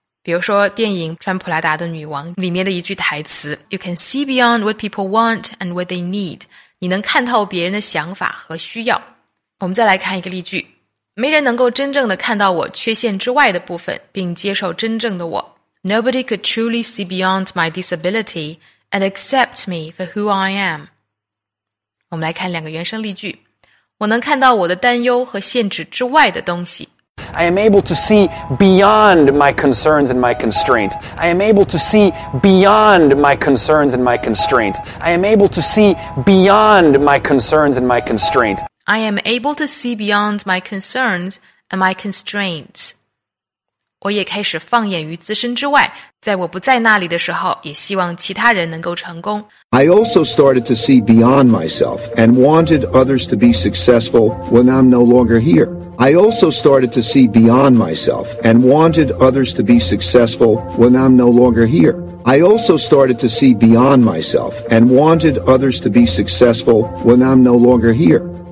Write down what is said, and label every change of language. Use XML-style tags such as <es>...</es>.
<zh>比如说电影《穿普拉达的女王》里面的一句台词</zh> <en>You can see beyond what people want and what they need</en> <zh>你能看透别人的想法和需要我们再来看一个例句没人能够真正的看到我缺陷之外的部分并接受真正的我</zh> <en>Nobody could truly see beyond my disability and accept me for who I am</en> <zh>我们来看两个原声例句我能看到我的担忧和限制之外的东西</zh> <en>I am able to see beyond my concerns and my constraints. I am able to see beyond my concerns and my constraints. I am able to see beyond my concerns and my constraints. I am able to see beyond my concerns and my constraints.</en> <zh>我也开始放眼于自身之外，在我不在那里的时候，也希望其他人能够成功。</zh> <en>I also started to see beyond myself and wanted others to be successful when I'm no longer here. I also started to see beyond myself and wanted others to be successful when I'm no longer here. I also started to see beyond myself and wanted others to be successful when I'm no longer here.</en>